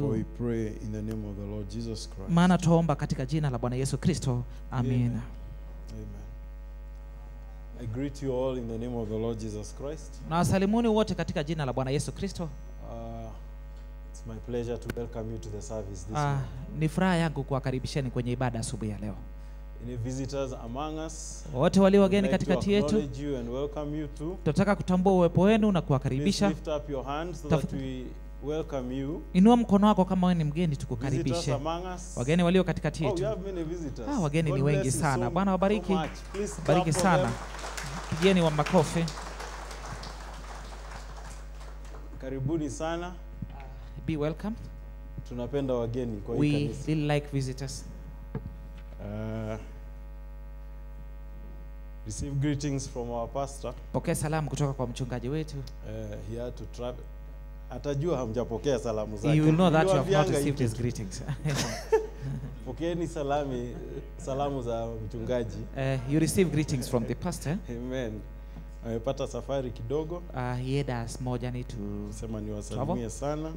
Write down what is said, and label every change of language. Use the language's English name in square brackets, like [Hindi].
[English] For we pray in the name of the Lord Jesus Christ. [Swahili] Maana tuomba katika jina la Bwana Yesu Kristo. Amen. Amen. [English] I greet you all in the name of the Lord Jesus Christ. [Swahili] Na wasalimuni wote katika jina la Bwana Yesu Kristo. [English] It's my pleasure to welcome you to the service this morning. [Swahili] Ni furaha yangu kuwakaribisheni kwenye ibada asubuhi ya leo. [English] Any visitors among us? [Swahili] Wote walio wageni katika kati yetu. Tunataka kutambua uwepo wenu na kuwakaribisha. [English] Lift up your hands so that we welcome you. [Swahili] Inua mkono wako kama wewe ni mgeni tukukaribishe. Wageni walio katikati yetu. [English] Oh, you have many visitors. [Swahili] Ah, wageni ni wengi sana. [English] So, [Swahili] Bwana wabariki. So bariki sana. Pigeni wa makofi. Karibuni sana. [English] Be welcome. [Swahili] Tunapenda wageni kwa hii kanisa. [English] We still like visitors. Receive greetings from our pastor. [Swahili] Pokea salamu kutoka kwa mchungaji wetu. [English] He had to travel. [Swahili] Atajua hamjapokea salamu zake. [English] You will know that you have not received his greetings. [Swahili] Pokeeni salami, salamu za mchungaji. [English] You receive greetings from the pastor. [Swahili] Amen. Amepata safari kidogo. [English] He had a small journey to [Swahili] sema niwasalimie sana.